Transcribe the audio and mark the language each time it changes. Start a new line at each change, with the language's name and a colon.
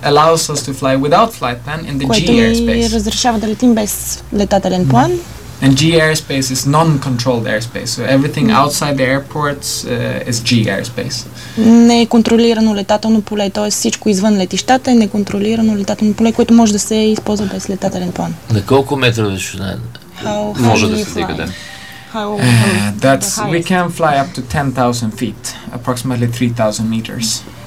English: That allows us to fly without flight plan in the G airspace.
Bulgarian: Което ни разрешава да летим без летателен план. And G airspace is non-controlled airspace, so everything outside the airports is G airspace. Не е контролирано летателно поле, т.е. всичко извън летищата е неконтролирано летателно поле, което може да се използва без летателен план. На колко метра вече не може да се вдига, да?
English: That's, we can fly up to 10,000 feet, approximately 3,000 meters.